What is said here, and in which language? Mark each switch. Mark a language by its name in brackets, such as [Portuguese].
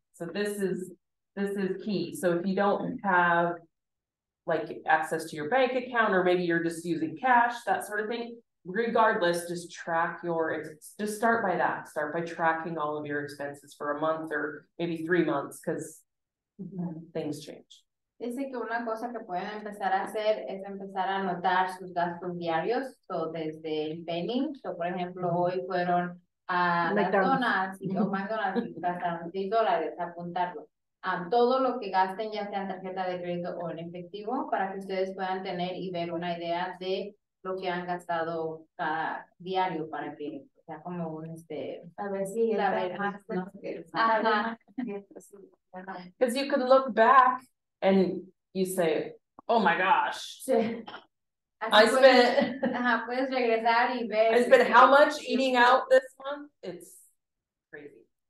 [English] So this is key. So if you don't have like access to your bank account or maybe you're just using cash, that sort of thing, regardless, just track your, just start by that. Start by tracking all of your expenses for a month or maybe 3 months because things change. [Spanish] Dice que una cosa que pueden empezar a hacer es empezar a anotar sus gastos diarios, so desde el penny, so por ejemplo, hoy fueron a McDonald's y o McDonald's gastaron $6, apuntarlo. Todo lo que gasten, ya sea en tarjeta de crédito o en efectivo, para que ustedes puedan tener y ver una idea de lo que han gastado cada diario para que o sea como un este... A ver si... Sí, a ver, más, no, que, ajá. [English] Because you could look back and you say, oh my gosh, [Spanish] sí. [English] I spent how much eating out this month? It's crazy.